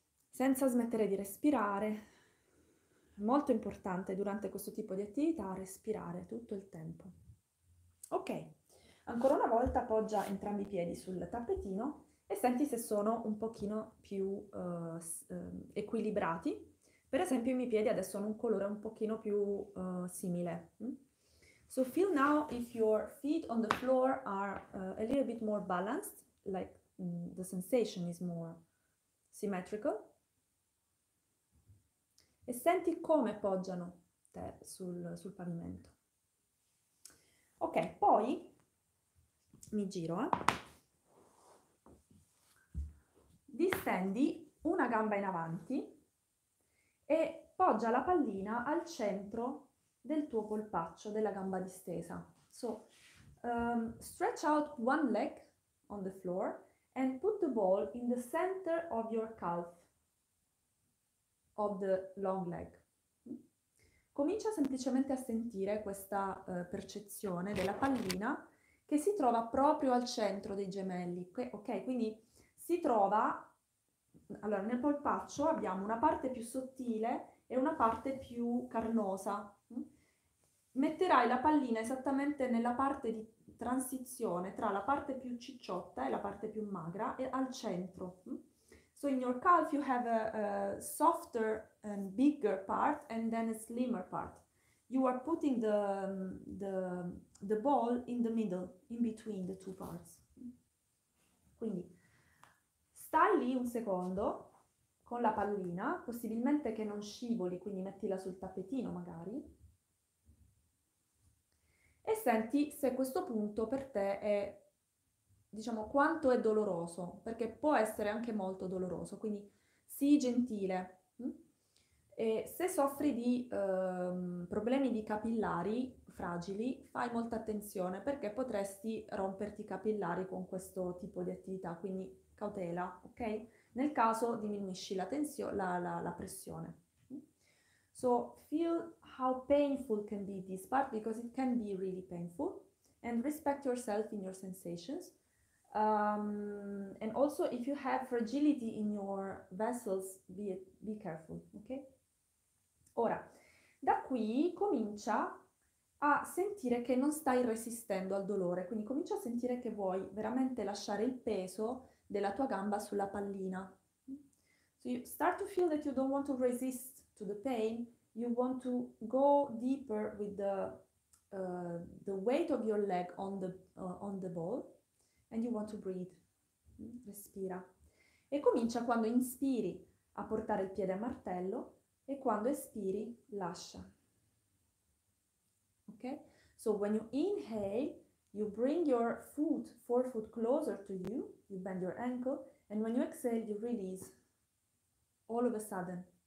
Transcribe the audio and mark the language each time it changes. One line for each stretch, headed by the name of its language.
Italian: Senza smettere di respirare, è molto importante durante questo tipo di attività respirare tutto il tempo. Ok, ancora una volta appoggia entrambi i piedi sul tappetino e senti se sono un pochino più equilibrati. Per esempio, i miei piedi adesso hanno un colore un pochino più simile.
English: So feel now if your feet on the floor are a little bit more balanced, like the sensation is more symmetrical.
Italian: E senti come poggiano te sul pavimento. Ok, poi mi giro. Distendi una gamba in avanti e poggia la pallina al centro del tuo polpaccio della gamba distesa.
English: So, stretch out one leg on the floor and put the ball in the center of your calf of the long leg.
Italian: Comincia semplicemente a sentire questa percezione della pallina che si trova proprio al centro dei gemelli. Ok, quindi si trova. Allora, nel polpaccio abbiamo una parte più sottile e una parte più carnosa. Metterai la pallina esattamente nella parte di transizione tra la parte più cicciotta e la parte più magra e al centro.
English: So in your calf you have a softer and bigger part and then a slimmer part. You are putting the ball in the middle, in between the two parts.
Italian: Quindi stai lì un secondo con la pallina, possibilmente che non scivoli, quindi mettila sul tappetino magari. E senti se questo punto per te è, diciamo, quanto è doloroso, perché può essere anche molto doloroso, quindi sii gentile. E se soffri di problemi di capillari fragili, fai molta attenzione perché potresti romperti i capillari con questo tipo di attività, quindi cautela, ok? Nel caso diminuisci la pressione.
English: So feel how painful can be this part because it can be really painful and respect yourself in your sensations. And also if you have fragility in your vessels, be careful, ok?
Italian: Ora, da qui comincia a sentire che non stai resistendo al dolore, quindi comincia a sentire che vuoi veramente lasciare il peso della tua gamba sulla pallina.
English: So you start to feel that you don't want to resist to the pain. You want to go deeper with the weight of your leg on the ball and you want to breathe.
Italian: Respira. E comincia quando inspiri a portare il piede a martello e quando espiri lascia. Ok?
English: So when you inhale, you bring your foot, forefoot closer to you, you bend your ankle and when you exhale, you release all of a sudden.